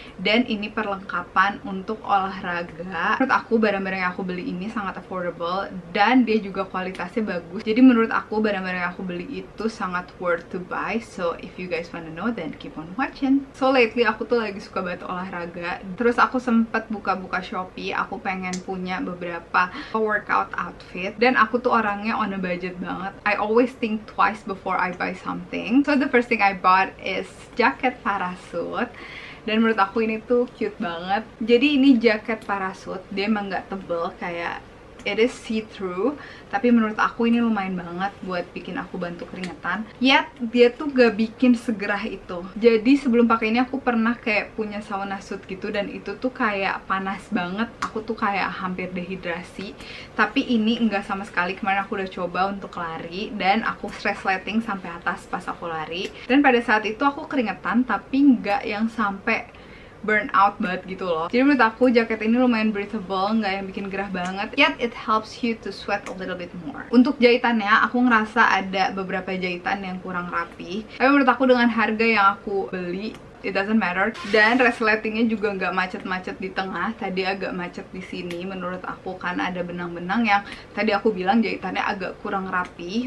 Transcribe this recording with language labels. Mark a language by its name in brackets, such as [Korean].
[Indonesian] Dan ini perlengkapan untuk olahraga. Menurut aku, barang-barang yang aku beli ini sangat affordable dan dia juga kualitas bagus. Jadi menurut aku barang-barang yang aku beli itu sangat [English] worth to buy. So if you guys wanna know, then keep on watching. So lately [Indonesian] aku tuh lagi suka banget olahraga. Terus aku sempet buka-buka Shopee. Aku pengen punya beberapa workout outfit. Dan aku tuh orangnya [English] on a budget [Indonesian] banget. [English] I always think twice before I buy something. So the first thing I bought is jacket parasut. [Indonesian] Dan menurut aku ini tuh cute banget. Jadi ini jacket parasut. Dia emang gak tebel kayak [English] it is see-through, [Indonesian] tapi menurut aku ini lumayan banget buat bikin aku bantu keringetan. Yet, dia tuh gak bikin segerah itu. Jadi sebelum pakai ini aku pernah kayak punya sauna suit gitu dan itu tuh kayak panas banget. Aku tuh kayak hampir dehidrasi. Tapi ini enggak sama sekali. Kemarin aku udah coba untuk lari dan aku resleting sampai atas pas aku lari. Dan pada saat itu aku keringetan tapi enggak yang sampai burn out banget gitu loh. Jadi menurut aku jaket ini lumayan breathable, nggak yang bikin gerah banget. [English] Yet it helps you to sweat a little bit more. [Indonesian] Untuk jahitannya, aku ngerasa ada beberapa jahitan yang kurang rapi. Tapi menurut aku dengan harga yang aku beli, [English] it doesn't matter. [Indonesian] Dan resletingnya juga nggak macet-macet di tengah. Tadi agak macet di sini. Menurut aku kan ada benang-benang yang tadi aku bilang jahitannya agak kurang rapi.